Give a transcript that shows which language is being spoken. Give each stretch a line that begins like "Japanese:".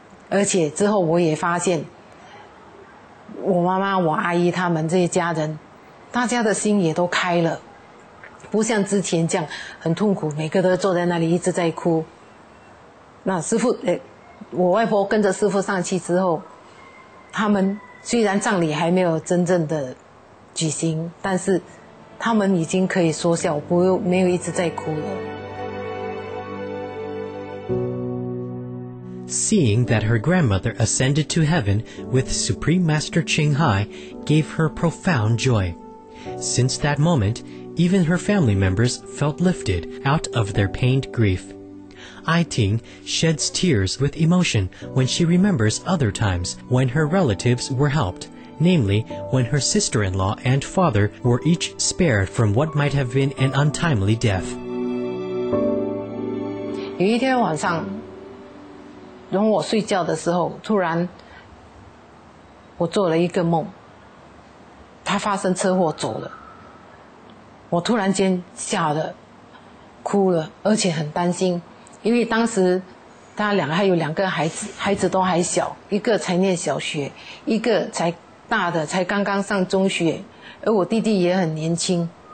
Chinese: 而且之后我也发现我妈妈我阿姨他们这些家人，大家的心也都开了，不像之前这样很痛苦，每个都坐在那里一直在哭。那师父我外婆跟着师父上去之后，他们虽然葬礼还没有真正的举行，但是他们已经可以说笑，没有一直在哭了。
English: Seeing that her grandmother ascended to heaven with Supreme Master Ching Hai gave her profound joy. Since that moment, even her family members felt lifted out of their pained grief. Ai Ting sheds tears with emotion when she remembers other times when her relatives were helped, namely when her sister-in-law and father were each spared from what might have been an untimely death.
Chinese: 有一天晚上，等我睡觉的时候，突然我做了一个梦，他发生车祸走了，我突然间吓得哭了，而且很担心，因为当时他两个还有两个孩子，孩子都还小，一个才念小学，一个才大的才刚刚上中学，而我弟弟也很年轻，